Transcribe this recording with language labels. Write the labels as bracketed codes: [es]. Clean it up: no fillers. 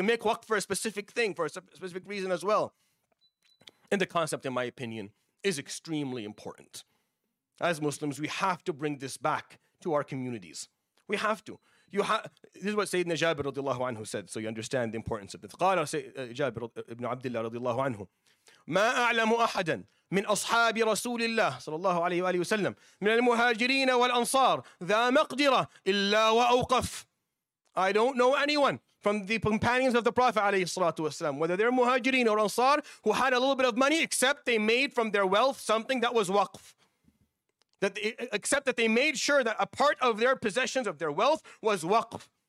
[en] You can make waqf for a specific thing, for a specific reason as well. And the concept, in my opinion, is extremely important. As Muslims, we have to bring this back to our communities. We have to. This is what Sayyidina Jabir radiallahu anhu said, so you understand the importance of this. [ar] Qala Jabir ibn Abdullah radiallahu anhu, مَا أَعْلَمُ أَحَدًا مِنْ أَصْحَابِ رَسُولِ اللَّهِ صَلَى اللَّهُ عَلَيْهِ وَآلِهِ وَسَلَّمْ مِنَ الْمُهَاجِرِينَ وَالْأَنصَارِ ذَا مَقْدِرَ إِلَّا وَأَوْقَفْ. [en] I don't know anyone from the companions of the Prophet alayhi salatu wasalam, whether they're muhajirin or ansar, who had a little bit of money, except they made from their wealth something that was waqf. Except that they made sure that a part of their possessions, of their wealth, was waqf.